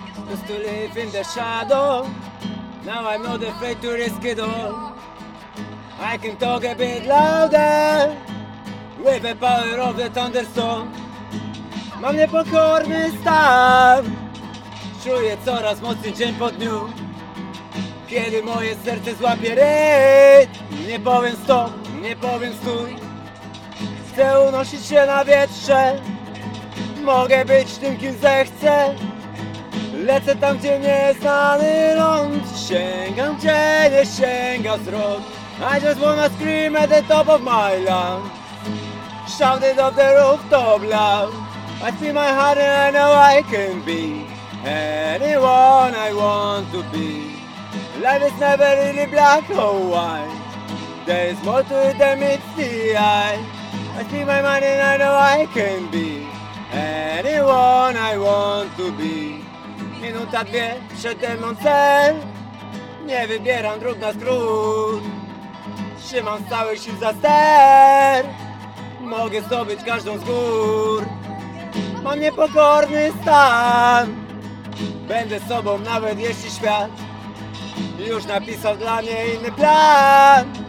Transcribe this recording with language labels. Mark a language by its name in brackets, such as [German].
[English] Used to live in the shadow. Now I'm not afraid to risk it all. I can talk a bit louder with the power of the thunderstorm. [Polish] Mam niepokorny star. Czuję coraz mocniej dzień po dniu. Kiedy moje serce złapie rytm, nie powiem stop, nie powiem stój. Chcę unosić się na wietrze. Mogę być tym, kim zechcę. Lecę tam, gdzie nieznany ląd. Sięgam, gdzie nie sięga wzrok. [English] I just wanna scream at the top of my lungs. Shout it off the rooftop loud. I see my heart and I know I can be anyone I want to be. Life is never really black or white. There is more to it than meets the eye. I see my mind and I know I can be anyone I want to be. [Polish] Minuta, dwie, przede mną cel. Nie wybieram dróg na skrót. Trzymam stały sił za ster. Mogę zdobyć każdą z gór. Mam niepokorny stan. Będę sobą nawet jeśli świat już napisał dla mnie inny plan.